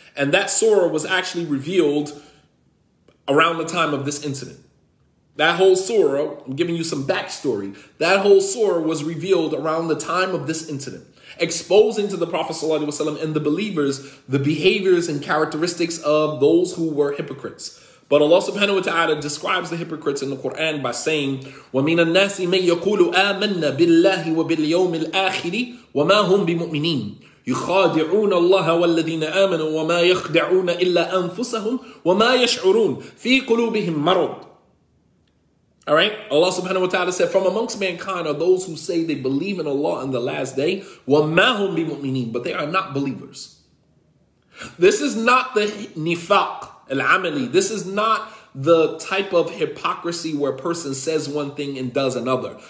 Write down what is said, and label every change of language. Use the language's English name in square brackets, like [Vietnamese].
[English] And that surah was actually revealed around the time of this incident. That whole surah, I'm giving you some backstory. That whole surah was revealed around the time of this incident, exposing to the Prophet sallallahu alaihi wasallam and the believers the behaviors and characteristics of those who were hypocrites. But Allah subhanahu wa ta'ala describes the hypocrites in the Quran by saying, [Arabic] وَمِنَ النَّاسِ مَنْ يَقُولُ آمَنَّا بِاللَّهِ وَبِالْيَوْمِ الْآخِرِ وَمَا هُمْ بِمُؤْمِنِينَ يُخَادِعُونَ اللَّهَ وَالَّذِينَ آمَنُوا وَمَا يَخْدَعُونَ إِلَّا أَنفُسَهُمْ وَمَا يَشْعُرُونَ فِي قُلُوبِهِمْ مَرَضٌ. [English] All right? Allah subhanahu wa ta'ala said, from amongst mankind are those who say they believe in Allah in the last day. [Arabic] وَمَاهُمْ بِمُؤْمِنِينَ [English] But they are not believers. This is not the nifaq al-amali. This is not the type of hypocrisy where a person says one thing and does another.